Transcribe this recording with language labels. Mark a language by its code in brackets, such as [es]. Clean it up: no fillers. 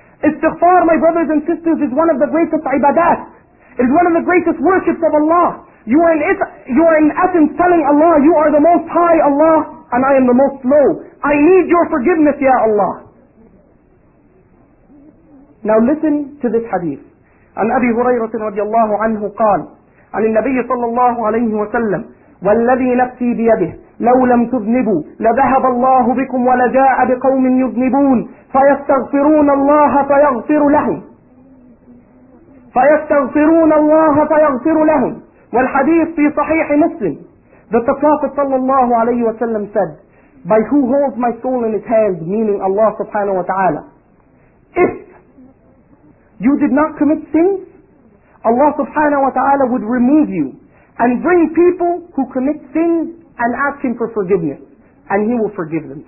[en] Istighfar, my brothers and sisters, is one of the greatest ibadat. It is one of the greatest worships of Allah. You are in essence telling Allah, you are the most high Allah, and I am the most low. I need your forgiveness, ya Allah. Now listen to this hadith. [ar] An Abi Hurairah radiallahu anhu qal, an Nabi sallallahu alayhi wa sallam, وَالَّذِي نَفْسِي بِيَدِهِ لَوْ لَمْ تُذْنِبُوا لَذَهَبَ اللَّهُ بِكُمْ وَلَجَاءَ بِقَوْمٍ يُذْنِبُونَ فَيَسْتَغْفِرُونَ اللَّهَ فَيَغْفِرُ لَهُمْ. فيستغفرون الله فيغفر لهم. والحديث في صحيح مسلم [en] that the Prophet [ar] صلى الله عليه وسلم [en] said, by who holds my soul in his hands, meaning Allah subhanahu wa ta'ala, if you did not commit sins, Allah subhanahu wa ta'ala would remove you and bring people who commit sins and ask him for forgiveness, and he will forgive them.